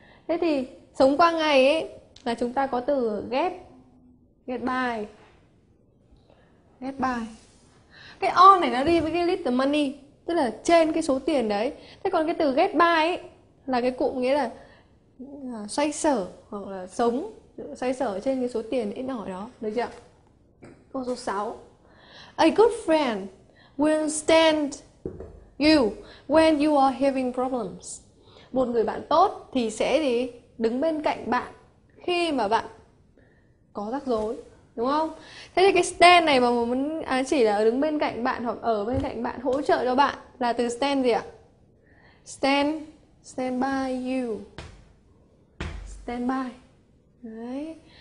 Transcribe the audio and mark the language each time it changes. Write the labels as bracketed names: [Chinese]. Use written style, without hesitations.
[Vietnamese] Thế thì sống qua ngày ấy là chúng ta có từ get, get by. Cái on này nó đi với cái little money, tức là trên cái số tiền đấy. Thế còn cái từ get by ấy là cái cụm nghĩa là xoay sở hoặc là sống xoay sở trên cái số tiền ít ỏi đó, được chưa? Câu số 6. [English] A good friend will stand you when you are having problems. [Vietnamese] Một người bạn tốt thì sẽ gì? Đứng bên cạnh bạn khi mà bạn có rắc rối, đúng không? Thế thì cái stand này mà muốn chỉ là đứng bên cạnh bạn hoặc ở bên cạnh bạn hỗ trợ cho bạn là từ stand gì ạ? [English] Stand, stand by you. Stand by. Đấy.